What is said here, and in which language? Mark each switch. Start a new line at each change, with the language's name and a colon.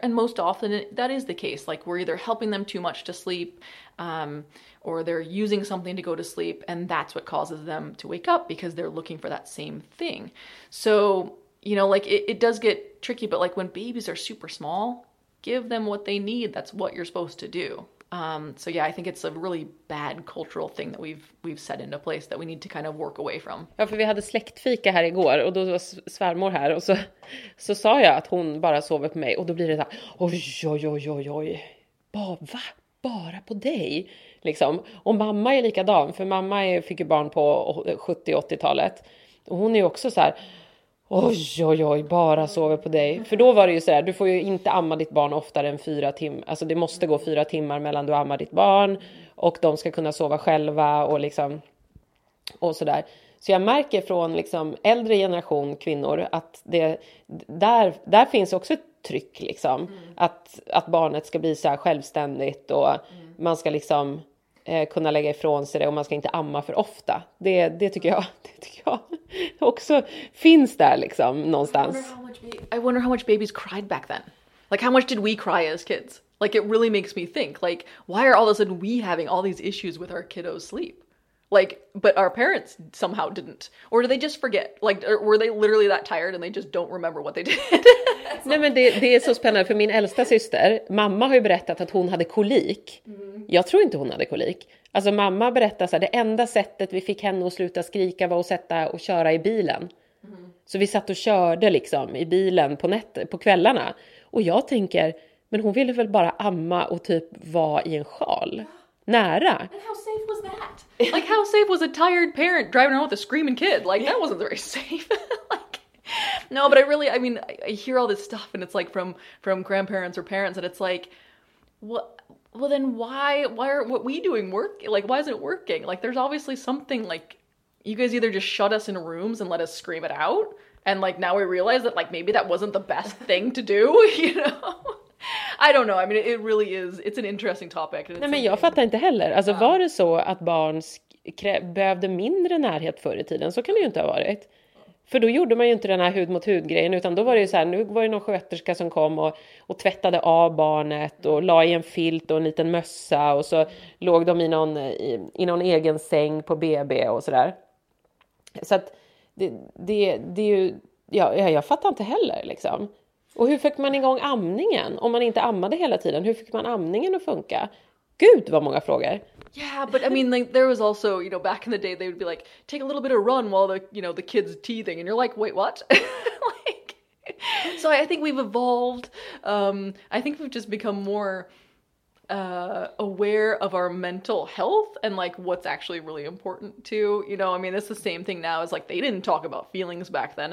English: And most often that is the case. Like, we're either helping them too much to sleep, or they're using something to go to sleep, and that's what causes them to wake up because they're looking for that same thing. So, you know, like, it does get tricky, but like, when babies are super small, give them what they need. That's what you're supposed to do. So yeah, I think it's a really bad cultural thing that we've set into place that we need to kind of work away from.
Swedish: Ja, för vi hade släktfika här igår och då var svärmor här och så sa jag att hon bara sover på mig och då blir det så här, oj. Bara på dig liksom. Och mamma är likadan, för mamma fick ju barn på 70-80-talet. Och hon är ju också så här, oj, bara sover på dig. För då var det ju så här, du får ju inte amma ditt barn oftare än 4 timmar. Alltså, det måste gå 4 timmar mellan du ammar ditt barn och de ska kunna sova själva och liksom, och så där. Så jag märker från liksom äldre generation kvinnor att det där finns också ett tryck liksom, att barnet ska bli så här självständigt och man ska liksom kunna lägga ifrån sig det och man ska inte amma för ofta. Det tycker jag också finns där liksom någonstans.
English: I wonder how much babies cried back then. Like, how much did we cry as kids? Like, it really makes me think, like, why are all of a sudden we having all these issues with our kiddos' sleep? Like, but our parents somehow didn't. Or do they just forget? Like, were they literally that tired and they just don't remember what they did?
Swedish: Nej, men det är så spännande. För min äldsta syster, mamma har ju berättat att hon hade kolik. Jag tror inte hon hade kolik. Alltså, mamma berättade så här, det enda sättet vi fick henne att sluta skrika var att sätta och köra i bilen. Så vi satt och körde liksom i bilen på kvällarna. Och jag tänker, men hon ville väl bara amma och typ vara i en sjal. Nära.
English: And how safe was that? Like, how safe was a tired parent driving around with a screaming kid? Like, that wasn't very safe. Like, no, but I hear all this stuff and it's like from grandparents or parents and it's like, why aren't what we doing work? Like, why isn't it working? Like, there's obviously something, like, you guys either just shut us in rooms and let us scream it out. And like, now we realize that like, maybe that wasn't the best thing to do, you know? I don't know. I mean, it really is. It's an interesting topic.
Swedish: Nej, men jag fattar inte heller. Alltså, var det så att barn behövde mindre närhet förr i tiden? Så kan det ju inte ha varit. För då gjorde man ju inte den här hud-mot-hud-grejen, utan då var det ju så här, nu var det någon sköterska som kom och tvättade av barnet och la i en filt och en liten mössa och så låg de i någon egen säng på BB och sådär. Så att det är ju jag fattar inte heller liksom. Och hur fick man igång amningen om man inte ammade hela tiden? Hur fick man amningen att funka? Gud, vad många frågor.
English: Yeah, but I mean, like, there was also, you know, back in the day, they would be like, take a little bit of run while the, you know, the kid's teething. And you're like, wait, what? Like, so I think we've evolved. I think we've just become more aware of our mental health and like what's actually really important to, you know, I mean, it's the same thing now as like, they didn't talk about feelings back then.